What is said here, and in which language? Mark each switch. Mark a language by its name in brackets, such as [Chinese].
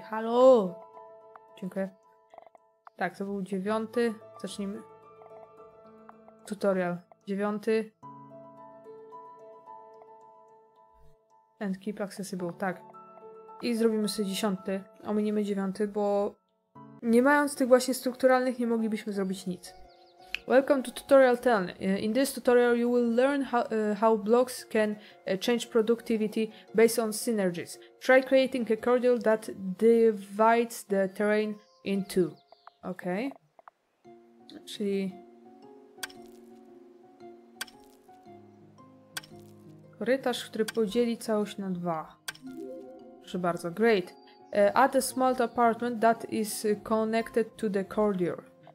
[Polish] Halo! Dziękuję. Tak, to był 9. Zacznijmy. Tutorial. 9. [English] And keep accessible. [Polish] Tak. I zrobimy sobie 10. Ominiemy 9, bo nie mając tych właśnie strukturalnych nie moglibyśmy zrobić nic. [English] Welcome to tutorial 10. In this tutorial you will learn how blocks can change productivity based on synergies. Try creating a corridor that divides the terrain in two. Ok. Czyli... [Polish] Korytarz, który podzieli całość na dwa. Proszę bardzo. Great. [English] Add a small apartment that is connected to the corridor.